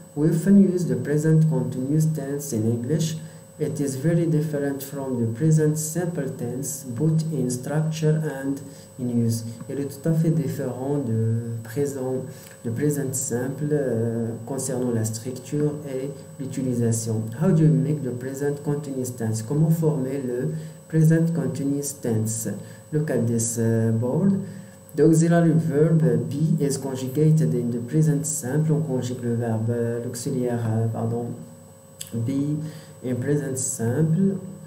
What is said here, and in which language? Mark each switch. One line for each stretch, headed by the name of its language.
English: We often use the present continuous tense in English. It is very different from the present simple tense, both in structure and in use.
French: Il est tout à fait différent de présent simple concernant la structure et l'utilisation.
English: How do you make the present continuous tense?
French: Comment former le present continuous tense?
English: Look at this board. The auxiliary verb be is conjugated in the present simple.
French: On conjugue le verbe, l'auxiliaire, pardon,
English: be in present simple.